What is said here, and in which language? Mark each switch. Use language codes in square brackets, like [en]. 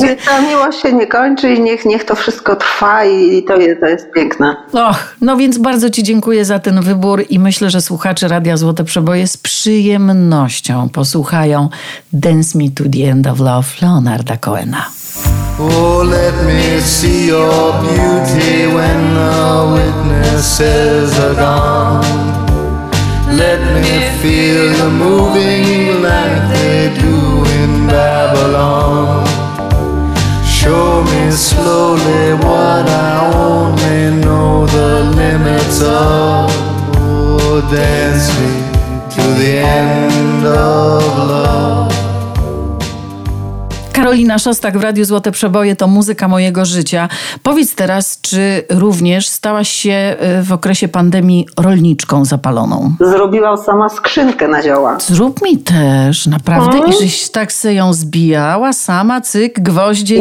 [pl] Niech ta miłość się nie kończy i niech to wszystko trwa i to jest piękne. Och, no więc bardzo ci dziękuję za ten wybór i myślę, że słuchacze Radia Złote Przeboje z przyjemnością posłuchają Dance Me to the End of Love Leonarda Cohena. [en] Oh, let me see your beauty when the witnesses are gone. Let me feel the moving like they do in Babylon. Show me slowly what I only know the limits of. Oh, dance me to the end of love. [pl] Karolina Szostak w Radiu Złote Przeboje to muzyka mojego życia. Powiedz teraz, czy również stałaś się w okresie pandemii rolniczką zapaloną? Zrobiłam sama skrzynkę na zioła. Zrób mi też, naprawdę? I żeś tak se ją zbijała sama, cyk, gwoździe?